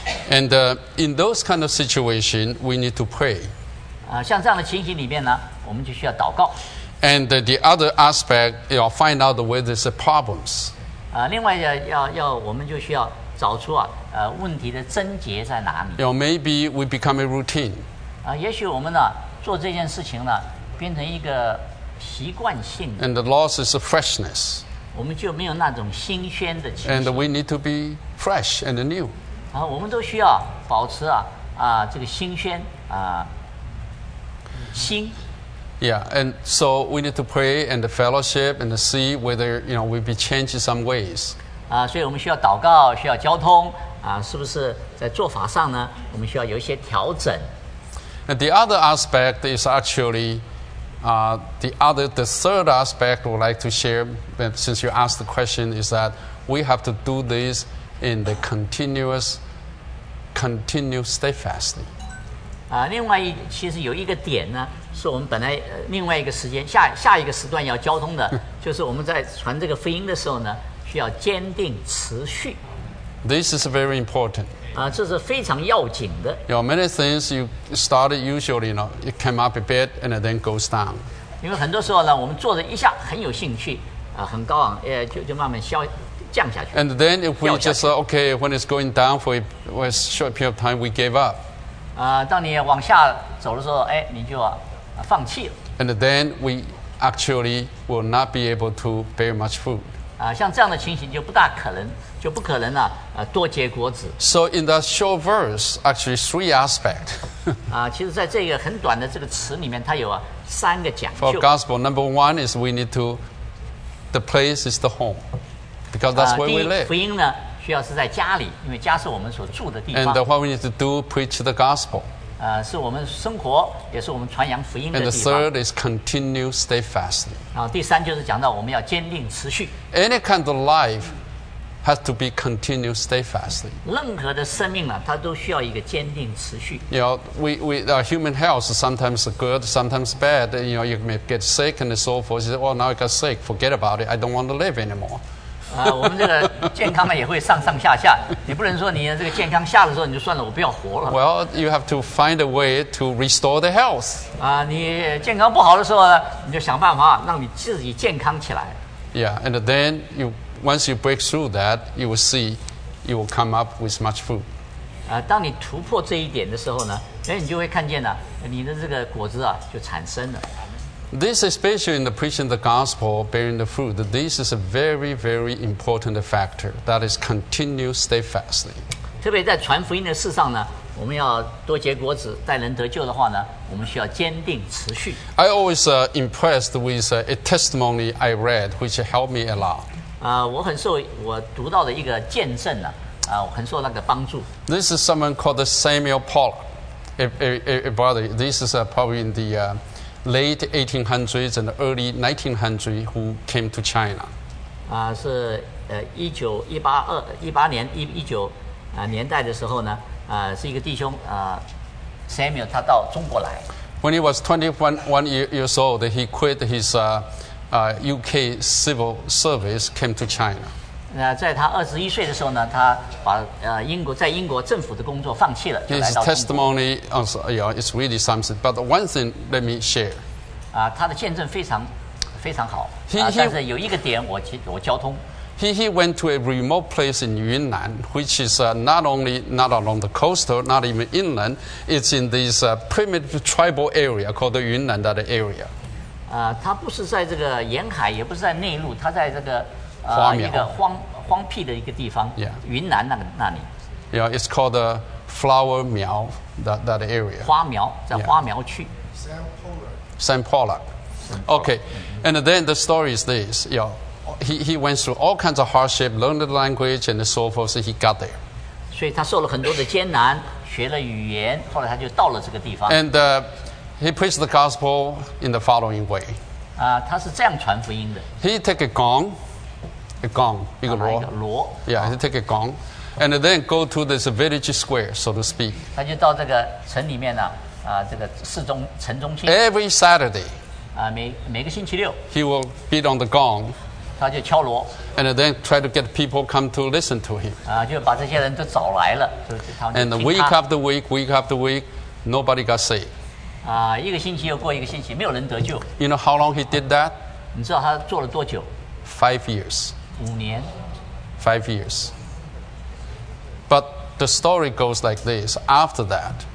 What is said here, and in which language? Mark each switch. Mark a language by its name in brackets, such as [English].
[English] And in those kind of situations, we need to pray. [Chinese] 像这样的情形里面呢，我们就需要祷告。 [English] And the other aspect, you know, find out where there's problems. [Chinese] 另外要我们就需要找出啊，问题的症结在哪里。 [English] You know, maybe we become a routine. [Chinese] 也许我们呢做这件事情呢，变成一个习惯性的。 [English] And the loss is a freshness. [Chinese] 我们就没有那种新鲜的气息。 [English] And we need to be fresh and new. [Chinese] 啊，我们都需要保持啊啊这个新鲜啊新。 [English] Yeah, and so we need to pray and the fellowship and see whether you know we'll be changed in some ways. [Chinese] 啊，所以我们需要祷告，需要交通啊，是不是在做法上呢？我们需要有一些调整。 [English] And the other aspect is actually. The third aspect we'd like to share, since you asked the question, is that we have to do this in the continuous steadfastly. [Chinese] 另外其实有一个点呢，是我们本来另外一个时间下一个时段要交通的，就是我们在传这个福音的时候呢，需要坚定持续。 [English] This is very important. [Chinese] 这是非常要紧的。 [English] You know, many things you started usually, you know, it came up a bit and then goes down. [Chinese] 因为很多时候呢，我们做的一下很有兴趣，很高昂，就慢慢降下去。 [English] And then if we just okay, when it's going down for a short period of time, we gave up. [Chinese] 当你往下走的时候，你就放弃了。 [English] And then we actually will not be able to bear much fruit. [Chinese] 像这样的情形就不大可能。就不可能了，多结果子。 [English] So in that short verse, actually three aspects. [Chinese] 其实在这个很短的这个词里面，它有三个讲究。 [English] For gospel, number one is we need to, the place is the home, because that's where we live. [Chinese] 福音呢，需要是在家里，因为家是我们所住的地方。 [English] And what we need to do, preach the gospel. [Chinese] 是我们生活，也是我们传扬福音的地方。 [English] And the third is continue steadfast. [Chinese] 第三就是讲到我们要坚定持续。 [English] Any kind of life. Has to be continued steadfastly. [Chinese] 任何的生命呢，它都需要一个坚定持续。 [English] You know, we human health sometimes good, sometimes bad. You know, you may get sick and so forth. You say, well, now I got sick. Forget about it. I don't want to live anymore. [Chinese] 我们这个健康呢也会上上下下。你不能说你这个健康下的时候你就算了，我不要活了。 [English] Well, you have to find a way to restore the health. [Chinese] 你健康不好的时候呢，你就想办法让你自己健康起来。 [English] Yeah, and then you. Once you break through that, you will see you will come up with much fruit. [Chinese] 当你突破这一点的时候呢，你就会看见了你的这个果子就产生了。 [English] This especially in the preaching the gospel, bearing the fruit, this is a very, very important factor that is continue steadfastly. [Chinese] 特别在传福音的事上呢，我们要多结果子，待人得救的话呢，我们需要坚定持续。 [English] I always impressed with a testimony I read, which helped me a lot. [Chinese] 我很受我读到的一个见证呢、我很受那个帮助。 [English] This is someone called Samuel Pollock, a brother. This is probably in the late 1800s and early 1900s who came to China. [Chinese] 是1918年代的时候呢，是一个弟兄Samuel 他到中国来。 [English] When he was 21 years old, he quit his. UK civil service came to China. [Chinese] 在他21岁的时候呢，他把英国在英国政府的工作放弃了，就来到中国。 [English] His testimony also, yeah, it's really something. But one thing, let me share. [Chinese] 他的见证非常非常好。但是有一个点我交通。 [English] He went to a remote place in Yunnan, which is not only not along the coast, not even inland. It's in this primitive tribal area called Yunnan, that area. [Chinese] 他不是在这个沿海，也不是在内陆，他在这个一个荒僻的一个地方， [English] yeah. [Chinese] 云南那里。 [English] Yeah, it's called the Flower Miao that area. [Chinese] 花苗在花苗区。 [English] Yeah. Saint Pollock. Okay,、mm-hmm. And then the story is this. You know, he went through all kinds of hardship, learned the language and so forth. So he got there. [Chinese] 所以他受了很多的艰难，学了语言，后来他就到了这个地方。 [English] And He preached the gospel in the following way. [Chinese] 他是这样传福音的。 [English] He took a gong, [Chinese] 一个锣。 [English] Yeah, he took a gong, and then go to this village square, so to speak. [Chinese] 他就到这个城里面呢，这个市中城中心。 [English] Every Saturday. [Chinese] 每个星期六。 [English] He will beat on the gong. [Chinese] 他就敲锣。 [English] And then try to get people come to listen to him. [Chinese] 就把这些人都找来了，就他们就听他。 [English] And week after week, nobody got saved. [Chinese] 一个星期又过一个星期，没有人得救。 [English] You know how long he did that? [Chinese] 你知道他做了多久？ [English] 5 years. [Chinese] 五年。 [English] 5 years. But the story goes like this. After that,